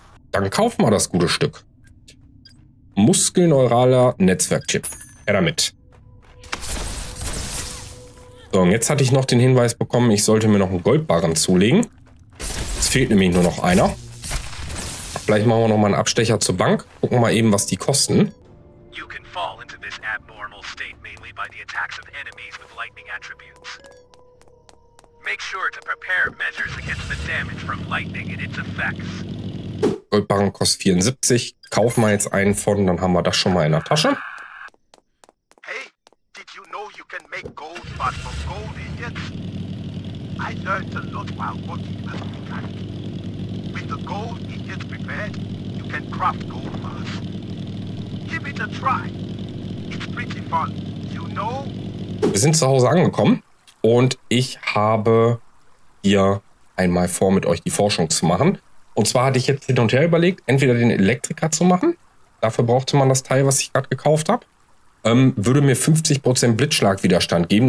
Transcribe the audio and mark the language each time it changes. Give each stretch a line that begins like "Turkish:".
German: Dann kaufen wir das gute Stück. Muskelneuraler Netzwerkchip. Her damit. So, und jetzt hatte ich noch den Hinweis bekommen, ich sollte mir noch einen Goldbarren zulegen. Es fehlt nämlich nur noch einer. Vielleicht machen wir noch mal einen Abstecher zur Bank. Gucken wir mal eben, was die kosten.
English: You can fall into this abnormal state mainly by the attacks of enemies with lightning attributes. Make sure to prepare measures against the damage from lightning and its effects.
German: Goldbarren kostet 74. Kaufen wir jetzt einen von, dann haben wir das schon mal in der Tasche.
English: Hey, did you know you can make gold but from gold idiots? I learned a lot while working as a mechanic. With the gold idiots prepared, you can craft gold bars.
German: Wir sind zu Hause angekommen und ich habe hier einmal vor, mit euch die Forschung zu machen. Und zwar hatte ich jetzt hin und her überlegt, entweder den Elektriker zu machen. Dafür brauchte man das Teil, was ich gerade gekauft habe. Würde mir 50% Blitzschlagwiderstand geben.